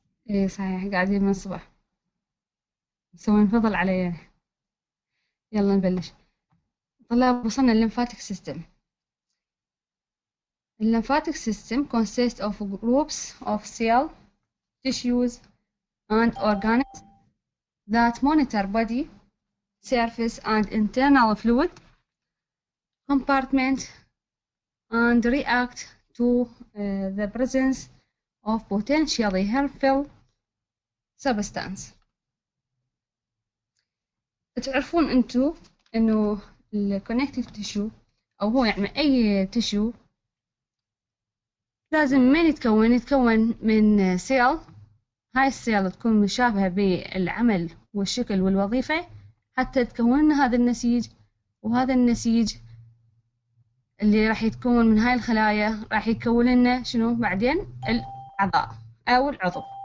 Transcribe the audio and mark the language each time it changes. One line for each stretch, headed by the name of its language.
Arabic: إيه صحيح، قاعدين من الصبح مسوين فضل علي يعني. يلا نبلش. طلاب، وصلنا للمفاتيك سيستم.
English: الليمفاتيك system consists of groups of cell tissues and organs that monitor body surface and internal fluid compartment and react to the presence of potentially harmful substance.
Arabic: تعرفون انتو انه الكونكتيف تيشو، او هو يعني اي تيشو، لازم من يتكون؟ يتكون من سيل. هاي السيل تكون مشابهة بالعمل والشكل والوظيفة حتى تكون هذا النسيج، وهذا النسيج اللي راح يتكون من هاي الخلايا راح يكون لنا شنو بعدين؟ الأعضاء أو العضو.